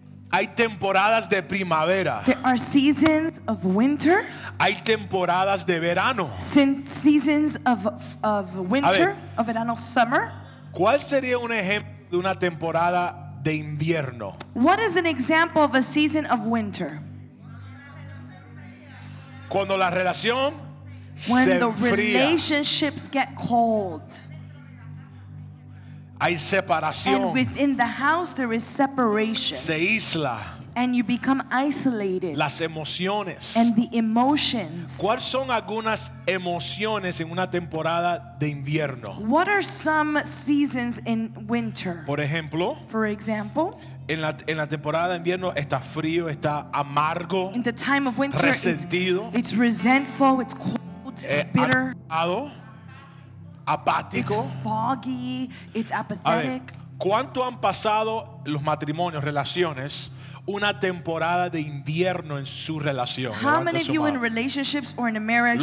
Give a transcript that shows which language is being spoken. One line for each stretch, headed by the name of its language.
Spanish: Hay temporadas de primavera.
English: There are seasons of winter.
Spanish: Hay temporadas de verano.
English: Seasons of winter,
Spanish: a ver,
English: of verano, summer.
Spanish: ¿Cuál sería un ejemplo de una temporada de invierno?
English: What is an example of a season of winter?
Spanish: Cuando la relación
English: when
Spanish: se
English: the
Spanish: enfría.
English: Relationships get cold.
Spanish: Hay separación.
English: And within the house there is separation.
Spanish: Se isla.
English: And you become isolated.
Spanish: Las emociones.
English: And the emotions.
Spanish: ¿Cuáles son algunas emociones en una temporada de invierno?
English: What are some seasons in winter?
Spanish: Por ejemplo.
English: For example.
Spanish: En la temporada de invierno está frío, está amargo.
English: In the time of winter,
Spanish: resentido.
English: It's resentful, it's cold, it's bitter.
Spanish: Agotado. Apático.
English: It's foggy, it's apathetic.
Spanish: A ver, ¿cuánto han pasado los matrimonios, relaciones, una temporada de invierno en su relación?
English: How many of you in relationships or in a marriage